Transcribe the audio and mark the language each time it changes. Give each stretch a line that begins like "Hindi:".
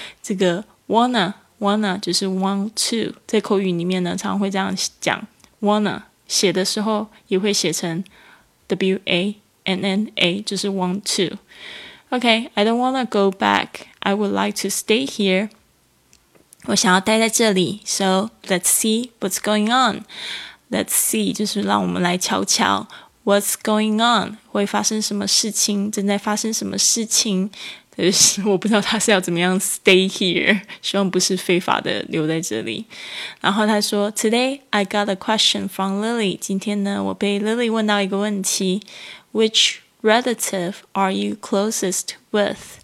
Chinese: 这个 wanna 就是 want to， 在口语里面呢常会这样讲， wanna 写的时候也会写成 w-a-n-n-a， 就是 want to。
English: OK， I don't wanna go back， I would like to stay here，
Chinese: 我想要待在这里。
English: So let's see what's going on， let's see
Chinese: 就是让我们来瞧瞧。
English: What's going on?
Chinese: 会发生什么事情？正在发生什么事情？就是我不知道他是要怎么样
English: stay here，
Chinese: 希望不是非法的留在这里。然后他说
English: Today I got a question from Lily，
Chinese: 今天呢我被 Lily 问到一个问题。
English: Which relative are you closest with?